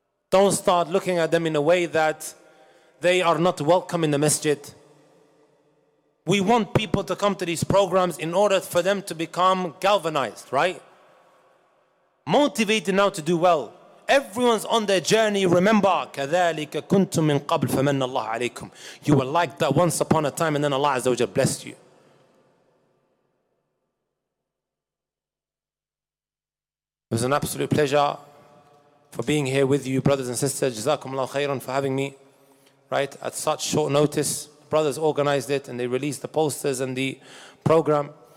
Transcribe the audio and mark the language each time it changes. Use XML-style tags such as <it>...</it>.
<en>Don't start looking at them in a way that they are not welcome in the masjid. We want people to come to these programs in order for them to become galvanized, right? Motivated now to do well. Everyone's on their journey.</en> <ar>Remember, كَذَلِكَ كُنْتُم مِّن قَبْلِ فَمَنَّ اللَّهُ عَلَيْكُمْ.</ar> <en>You were like that once upon a time, and then Allah Azza wa Jalla blessed you. It was an absolute pleasure for being here with you, brothers and sisters.</en> <ar>جزاكم الله خيرا</ar> <en>for having me, right? At such short notice, brothers organized it and they released the posters and the program.</en>